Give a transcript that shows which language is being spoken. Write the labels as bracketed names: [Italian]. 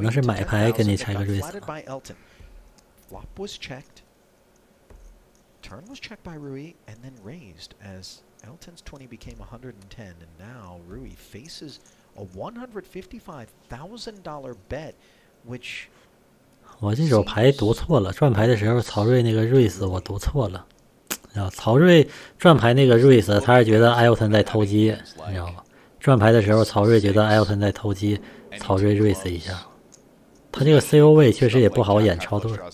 [Chinese] 能是买牌跟你拆个瑞斯吗？ [English] Flop was checked. Turn was checked by Rui and then raised as Elton's 20 became 110 and now Rui faces a $155,000 bet, which [Chinese] 我这手牌读错了，转牌的时候曹睿那个瑞斯我读错了。曹睿转牌那个瑞斯，他是觉得艾欧森在偷鸡，你知道吗？转牌的时候，曹睿觉得艾欧森在偷鸡，曹睿瑞斯一下，他这个 CO 位确实也不好演超对。